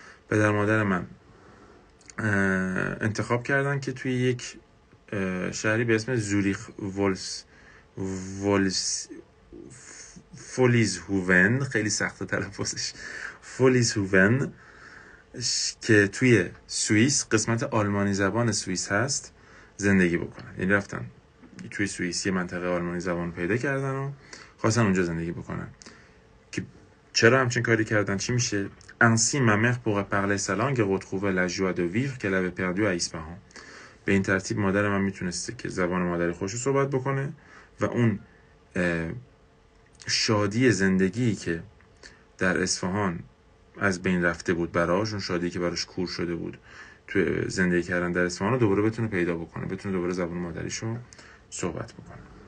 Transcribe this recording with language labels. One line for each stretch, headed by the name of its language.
Persian: پدر مادر من انتخاب کردن که توی یک شهری به اسم زوریخ ولس ولس فولیز هوون، خیلی سخته تلفظش، فولیز هوون که توی سوئیس قسمت آلمانی زبان سوئیس هست زندگی بکنن. یعنی رفتن توی سوئیس یه منطقه آلمانی زبان پیدا کردن و خواستن اونجا زندگی بکنن. چرا همچین کاری کردن؟ چی میشه؟
French: ainsi ma mère pourrait parler sa langue et retrouver la joie de vivre qu'elle avait perdue à Ispahan.
Persian: به این ترتیب مادر من میتونسته که زبان مادری خودش رو صحبت بکنه و اون شادی زندگی که در اصفهان از بین رفته بود براش، اون شادی که براش کور شده بود تو زندگی کردن در اصفهان، دوباره بتونه پیدا بکنه، بتونه دوباره زبان مادریشو صحبت بکنه.